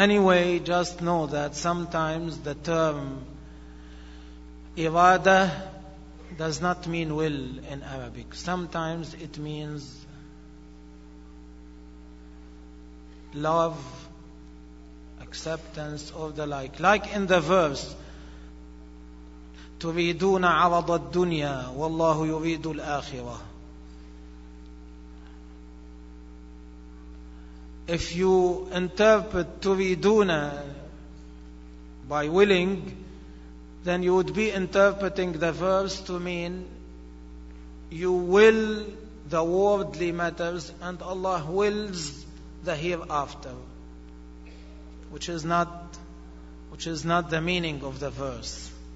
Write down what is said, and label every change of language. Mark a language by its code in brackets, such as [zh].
[en] Anyway, just know that sometimes the term irada does not mean will in Arabic. Sometimes it means love, acceptance, or the like. Like in the verse, [ar] تريدون عرض الدنيا والله يريد الآخرة. [en] If you interpret تريدون by willing, then you would be interpreting the verse to mean you will the worldly matters and Allah wills the hereafter, which is not the meaning of the verse.